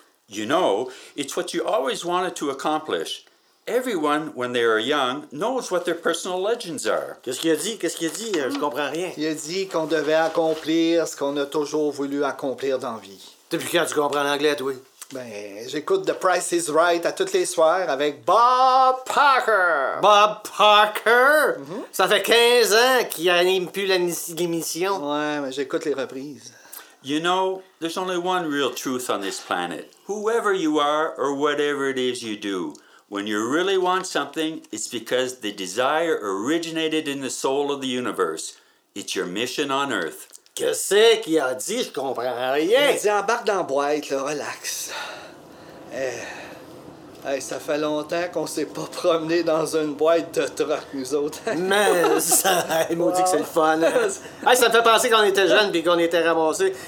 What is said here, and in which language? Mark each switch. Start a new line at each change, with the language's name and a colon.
English: You know, it's what you always wanted to accomplish. Everyone, when they are young, knows what their personal legends are.
French: Qu'est-ce qu'il a dit? Je comprends rien. Il a dit qu'on devait accomplir ce qu'on a toujours voulu accomplir dans vie. Depuis quand tu comprends l'anglais, toi? Ben, j'écoute The Price is Right à toutes les soirs avec Bob Parker! Bob Parker? Mm-hmm. Ça fait 15 ans qu'il n'anime plus l'émission. Ouais, mais j'écoute les reprises.
English: You know, there's only one real truth on this planet. Whoever you are or whatever it is you do, when you really want something, it's because the desire originated in the soul of the universe. It's your mission on Earth.
French: Qu'est-ce qu'il a dit? Je comprends rien. Il dit embarque dans la boîte, là, relax. Hey, ça fait longtemps qu'on s'est pas promené dans une boîte de truck, nous autres. Mais ça, il m'a dit que c'est le fun. Hey, ça me fait penser qu'on était jeunes puis qu'on était ramassés.